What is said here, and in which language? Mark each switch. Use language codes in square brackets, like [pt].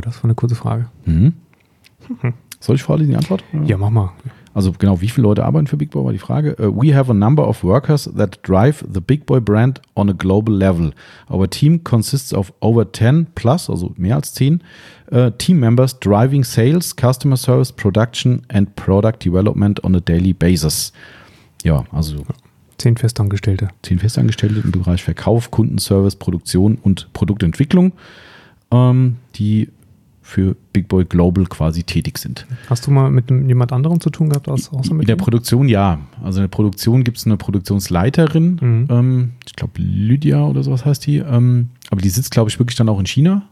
[de] Das war eine kurze Frage. Mhm. Soll ich vorlesen die Antwort? Ja, mach mal. Also genau, wie viele Leute arbeiten für Big Boy, war die Frage. [en] We have a number of workers that drive the Big Boy brand on a global level. Our team consists of over 10 plus, [de] also mehr als 10, [en] team members driving sales, customer service, production and product development on a daily basis. [de] Ja, also 10 Festangestellte. 10 Festangestellte im Bereich Verkauf, Kundenservice, Produktion und Produktentwicklung, die für Big Boy Global quasi tätig sind. Hast du mal mit jemand anderem zu tun gehabt, außer mit? In der Produktion, ja. Also in der Produktion gibt es eine Produktionsleiterin, ich glaube Lydia oder sowas heißt die, aber die sitzt, glaube ich, wirklich dann auch in China.